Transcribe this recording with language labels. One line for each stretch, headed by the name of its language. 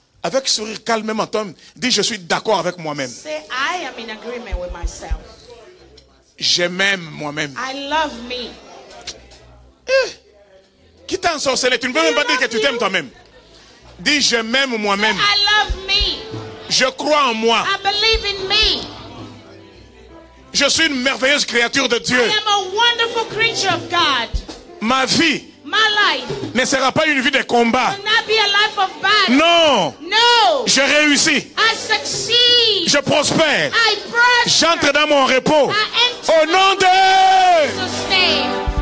French: Avec sourire calme en toi, dis je suis d'accord avec moi-même.
English: Say, I am in agreement with myself.
French: Je m'aime moi-même.
English: I love me.
French: Qui t'a ensorcelé? Tu ne peux même pas dire que tu t'aimes toi-même. Dis je m'aime moi-même.
English: Say, I love me.
French: Je crois en moi.
English: I believe in me.
French: Je suis une merveilleuse créature de Dieu.
English: I am a wonderful creature of God.
French: Ma vie,
English: my life,
French: ne sera pas une vie de combat.
English: Will not be a life of battle.
French: Non.
English: No.
French: Je réussis.
English: I succeed.
French: Je prospère.
English: I prosper.
French: J'entre dans mon repos.
English: I enter.
French: Au nom de
English: Jesus name.